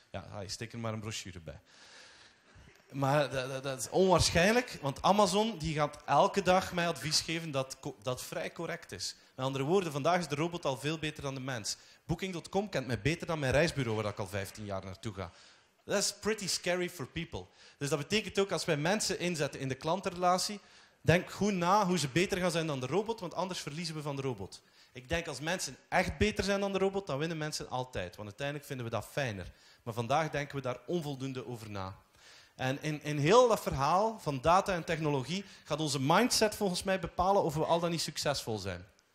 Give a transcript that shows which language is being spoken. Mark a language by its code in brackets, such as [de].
[nl] Ja, steek er maar een brochure bij. Maar dat is onwaarschijnlijk, want Amazon die gaat elke dag mij advies geven dat vrij correct is. Met andere woorden, vandaag is de robot al veel beter dan de mens. Booking.com kent mij beter dan mijn reisbureau waar ik al 15 jaar naartoe ga. [en] That's pretty scary for people. [nl] Dus dat betekent ook, als wij mensen inzetten in de klantenrelatie, denk goed na hoe ze beter gaan zijn dan de robot, want anders verliezen we van de robot. Ik denk, als mensen echt beter zijn dan de robot, dan winnen mensen altijd. Want uiteindelijk vinden we dat fijner. Maar vandaag denken we daar onvoldoende over na. En in heel dat verhaal van data en technologie gaat onze mindset volgens mij bepalen of we al dan niet succesvol zijn.